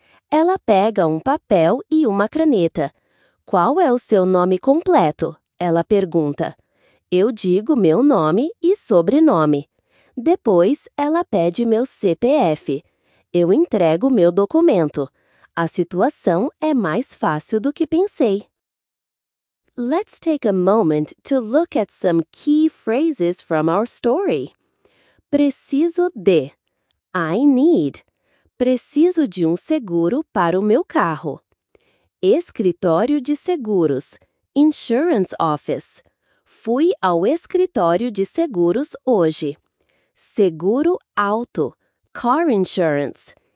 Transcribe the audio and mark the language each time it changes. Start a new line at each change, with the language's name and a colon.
Portuguese: Ela pega papel e caneta. Qual é o seu nome completo? Ela pergunta. Eu digo meu nome e sobrenome. Depois, ela pede meu CPF. Eu entrego meu documento. A situação é mais fácil do que pensei.
English: Let's take a moment to look at some key phrases from our story.
Portuguese: Preciso de.
English: I need.
Portuguese: Preciso de seguro para o meu carro. Escritório de seguros.
English: Insurance office.
Portuguese: Fui ao escritório de seguros hoje. Seguro alto.
English: Car insurance.